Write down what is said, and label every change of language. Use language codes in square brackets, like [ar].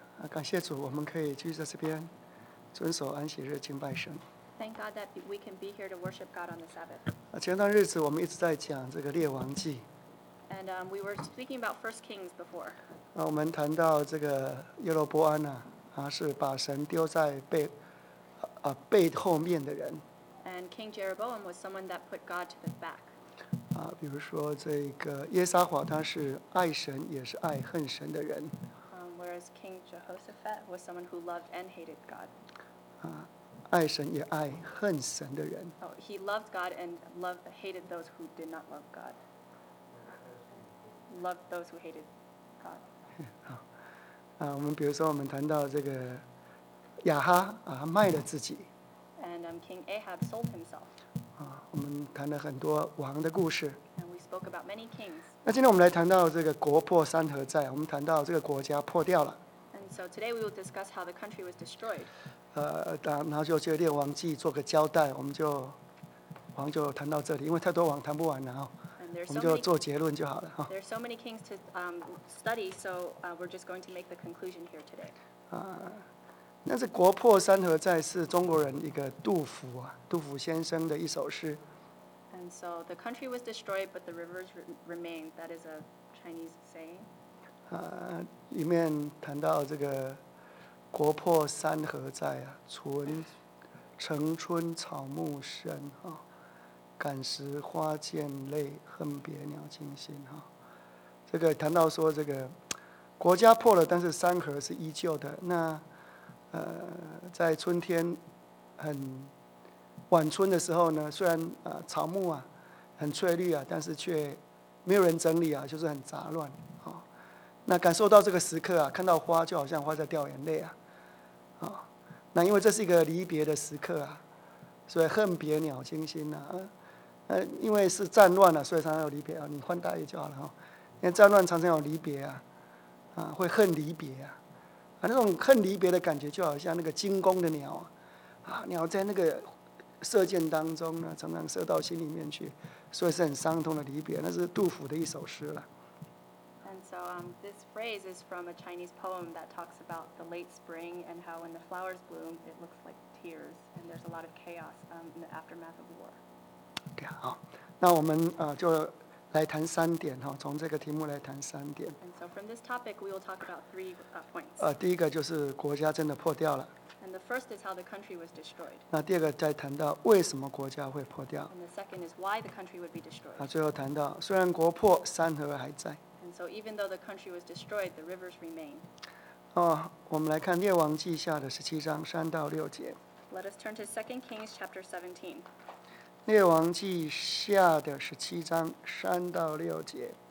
[zh] 感谢主，我们可以聚在这边，遵守安息日敬拜神。 [en] Thank God that we can be here to worship God on the Sabbath. [zh] 前段日子我们一直在讲这个列王记。 [en] And we were speaking about First Kings before. [zh] 我们谈到这个耶罗波安是把神丢在背后面的人。 [en] And King Jeroboam was someone that put God to the back. [zh] 比如说这个耶撒华，他是爱神也是爱恨神的人。 [en] Whereas King Jehoshaphat was someone who loved and hated God. [zh] 爱神也爱恨神的人。 [en] He loved God and hated those who did not love God. Loved those who hated God. [zh] 好，我们比如说我们谈到这个亚哈卖了自己。 [en] And King Ahab sold himself. [zh] 我们谈了很多王的故事。 [en] And we spoke about many kings. [zh] 那今天我们来谈到这个国破山河在，我们谈到这个国家破掉了。 [en] And so today we will discuss how the country was destroyed. [zh] 然后就借列王记做个交代，我们就王就谈到这里，因为太多王谈不完了，我们就做结论就好了。 [en] There are so many kings to study, so we're just going to make the conclusion here today. [zh] 那是国破山河在是中国人一个杜甫杜甫先生的一首诗。 [en] And so the country was destroyed, but the rivers remained. That is a Chinese saying. [zh] 里面谈到这个国破山河在城春草木深感时花溅泪，恨别鸟惊心这个谈到说这个国家破了，但是山河是依旧的。那在春天很晚春的时候呢，虽然草木很翠绿但是却没有人整理就是很杂乱那感受到这个时刻看到花就好像花在掉眼泪那因为这是一个离别的时刻所以恨别鸟惊心因为是战乱所以常常有离别你换大意就好了因为战乱常常有离别会恨离别那种恨离别的感觉就好像那个惊弓的鸟鸟在那个射箭当中呢，常常射到心里面去，所以是很伤痛的离别。那是杜甫的一首诗了。 [en] And so, this phrase is from a Chinese poem that talks about the late spring and how when the flowers bloom, it looks like tears, and there's a lot of chaos in the aftermath of war. [zh] Okay, 好，那我们就来谈三点从这个题目来谈三点。 [en] And so, from this topic, we will talk about three points. [zh] 第一个就是国家真的破掉了。 [en] And the first is how the country was destroyed. [zh] 那第二个再谈到为什么国家会破掉。 [en] And the second is why the country would be destroyed. [zh] 最后谈到虽然国破，山河还在。 [en] And so even though the country was destroyed, the rivers remained. [zh] 我们来看列王记下的十七章三到六节。 [en] Let us turn to 2 Kings chapter 17. [zh] 列王记下的十七章三到六节。